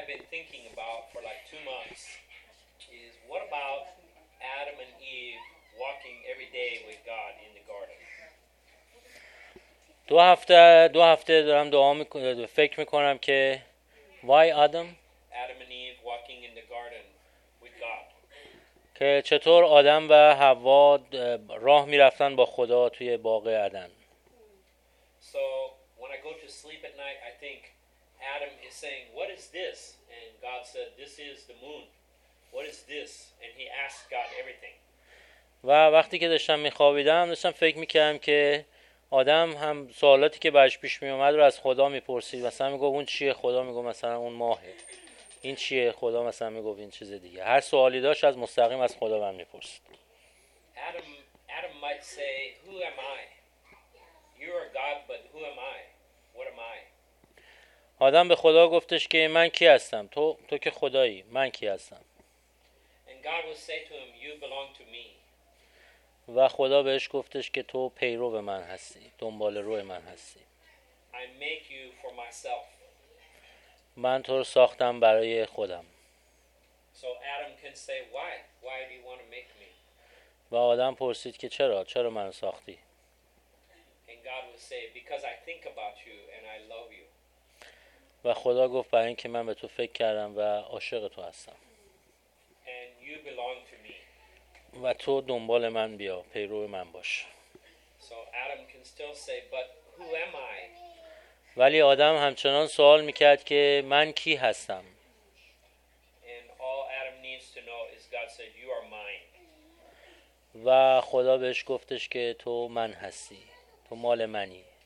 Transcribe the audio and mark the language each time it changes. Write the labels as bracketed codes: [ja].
[en] thinking about for like 2 months is, what about Adam and Eve walking every day with God in the garden? [fa] دو هفته دارم دعا میکنم، فکر میکنم که why [en] Adam and Eve walking in the garden with God. [fa] که چطور آدم و حوا راه میرفتن با خدا توی باغ عدن. [en] So when I go to sleep at night, I think Adam is saying, "What is this?" And God said, "This is the moon. What is this?" And he asked God everything. [fa] و وقتی که داشتم میخوابیدم، داشتم فکر میکردم که آدم هم سوالاتی که بهش پیش می اومد رو از خدا میپرسید، مثلا میگفت اون چیه، خدا میگفت مثلا اون ماهه، این چیه، خدا مثلا میگفت این چیز دیگه، هر سوالی داشت از مستقیم از خدا من میپرسید. [en] Adam might say, who am I? You are God, but who am I? What am I? [fa] آدم به خدا گفتش که من کی هستم، تو که خدایی، من کی هستم. [en] And God will say to him, you belong to me. [fa] و خدا بهش گفتش که تو پیرو به من هستی، دنبال روی من هستی. [en] I make you for myself. [fa] من تو رو ساختم برای خودم. [en] So Adam can say why? Why do you want to make me? [fa] و آدم پرسید که چرا؟ چرا منو ساختی؟ [en] And God will say because I think about you and I love you. [fa] و خدا گفت برای اینکه من به تو فکر کردم و عاشق تو هستم. [en] And you belong to me. [fa] و تو دنبال من بیا، پیرو من باش. [en] So Adam can still say, but who am I? [fa] ولی آدم همچنان سوال میکرد که من کی هستم. [en] And all Adam needs to know is God said, you are mine. [fa] و خدا بهش گفتش که تو من هستی، تو مال منی.